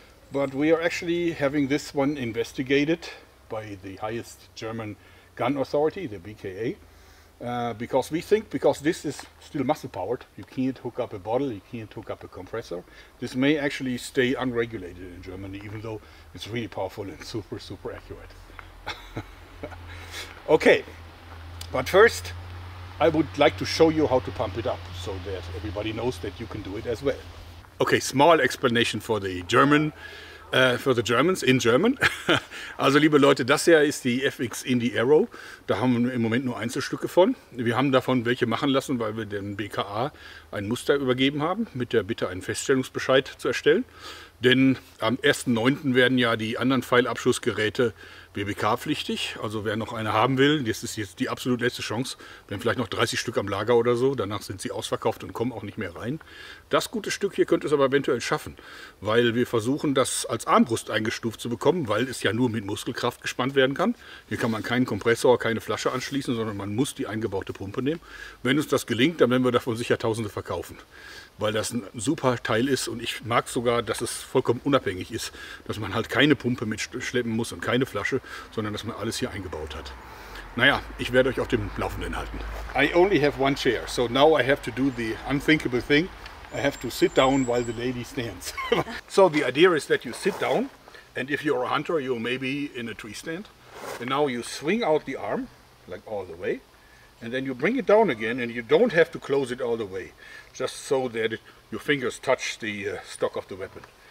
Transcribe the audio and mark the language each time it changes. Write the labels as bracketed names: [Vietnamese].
[English] But we are actually having this one investigated by the highest German gun authority, the BKA, because we think, because this is still muscle powered, you can't hook up a bottle, you can't hook up a compressor, this may actually stay unregulated in Germany, even though it's really powerful and super, super accurate. Okay, but first I would like to show you how to pump it up so that everybody knows that you can do it as well. Okay, small explanation for the German, for the Germans in German. [German] Also liebe Leute, das hier ist die FX Indie Aero. Da haben wir im Moment nur Einzelstücke von. Wir haben davon welche machen lassen, weil wir dem BKA ein Muster übergeben haben, mit der Bitte einen Feststellungsbescheid zu erstellen. Denn am 1.9. werden ja die anderen Pfeilabschussgeräte BBK-pflichtig. Also wer noch eine haben will, das ist jetzt die absolut letzte Chance. Wir haben vielleicht noch 30 Stück am Lager oder so. Danach sind sie ausverkauft und kommen auch nicht mehr rein. Das gute Stück hier könnte es aber eventuell schaffen, weil wir versuchen, das als Armbrust eingestuft zu bekommen, weil es ja nur mit Muskelkraft gespannt werden kann. Hier kann man keinen Kompressor, keine Flasche anschließen, sondern man muss die eingebaute Pumpe nehmen. Wenn uns das gelingt, dann werden wir davon sicher Tausende verkaufen, weil das ein super Teil ist und ich mag sogar, dass es vollkommen unabhängig ist, dass man halt keine Pumpe mitschleppen muss und keine Flasche, sondern dass man alles hier eingebaut hat. Naja, ich werde euch auf dem Laufenden halten. [English] I only have one chair, so now I have to do the unthinkable thing. I have to sit down while the lady stands. So the idea is that you sit down and if you're a hunter, you may be in a tree stand. And now you swing out the arm, like all the way, and then you bring it down again and you don't have to close it all the way, just so that your fingers touch the stock of the weapon.